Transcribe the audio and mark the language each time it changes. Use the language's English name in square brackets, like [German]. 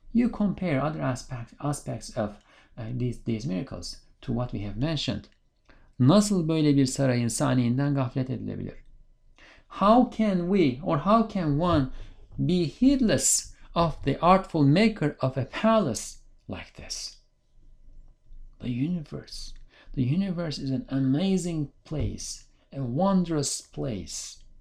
[English] You compare other aspects of these miracles to what we have mentioned. [Turkish] Nasıl böyle bir sarayın saniyinden gaflet edilebilir? [English] How can we, or how can one, be heedless of the artful maker of a palace like this? The universe is an amazing place, a wondrous place.